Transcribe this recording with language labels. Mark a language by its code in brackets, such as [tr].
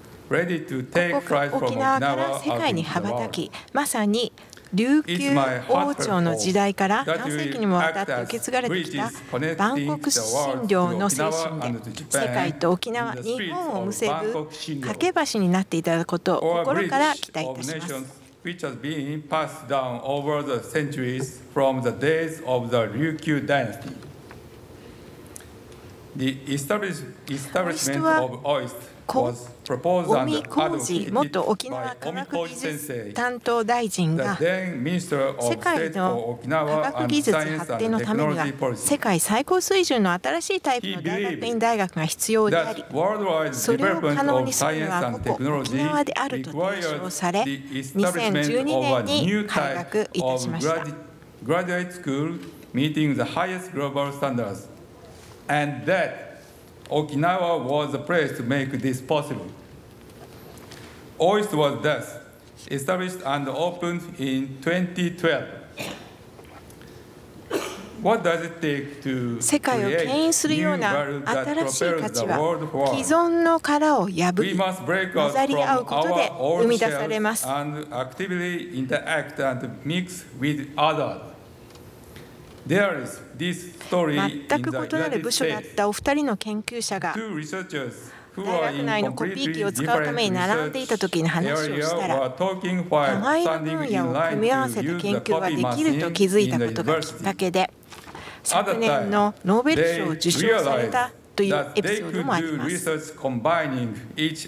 [ja] 沖縄から世界に羽ばたき、まさに琉球王朝の時代から何世紀にもわたって受け継がれてきた万国診療の精神で、世界と沖縄、日本を結ぶ架け橋になっていただくことを心から期待いたします。 [en] Which has been passed down over the centuries from the days of the Ryukyu dynasty. The establishment of OIST was proposed under [ja] Adolphe Hitt, 元沖縄科学技術担当大臣が、世界の科学技術発展のためには世界最高水準の新しいタイプの大学院大学が必要であり、それを可能にするには ここ沖縄であると提唱され、2012年に開学いたしました。 [en] Graduate school meeting the highest global standards, and thatOkinawa was the place to make this possible. OIST was thus established and opened in 2012. What does it take to create new value that prepares the world for? We must break out from our old shells and actively interact and mix with others. [ja] 全く異なる部署だったお二人の研究者が大学内のコピー機を使うために並んでいた時に話をしたら、名前の分野を組み合わせて研究ができると気づいたことがきっかけで、昨年のノーベル賞を受賞されたというエピソードもあります。